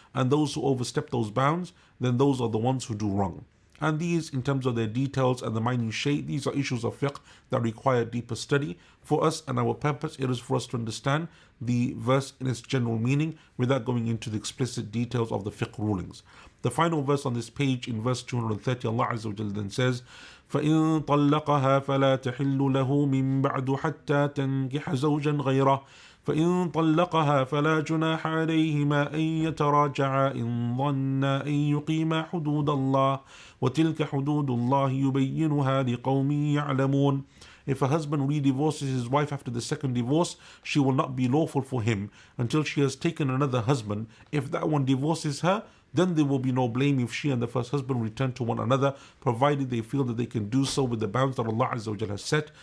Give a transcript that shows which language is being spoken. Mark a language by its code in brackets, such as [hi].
[en] And those who overstep those bounds, then those are the ones who do wrong. And these, in terms of their details and the minutiae, these are issues of fiqh that require deeper study. For us and our purpose, it is for us to understand the verse in its general meaning without going into the explicit details of the fiqh rulings. The final verse on this page, in verse 230, Allah Azza wa Jalla then says, [ar] فَإِنْ طَلَّقَهَا فَلَا تَحِلُّ لَهُ مِنْ بَعْدُ حَتَّى تَنْكِحَ زَوْجًا غَيْرَهُ فَإِنْ طَلَّقَهَا فَلَا جُنَاحَ عَلَيْهِمَا أَنْ يَتَرَاجَعَا إِنْ ظَنَّا أَنْ يُقِيمَا حُدُودَ اللَّهِ وَتِلْكَ حُدُودُ اللَّهِ يُبَيِّنُهَا لِقَوْمٍ يَعْلَمُونَ. [en] If a husband redivorces his wife after the second divorce, she will not be lawful for him until she has taken another husband. If that one divorces her, then there will be no blame if she and the first husband return to one another, provided they feel that they can do so with the bounds that Allah Azza wa Jalla has set.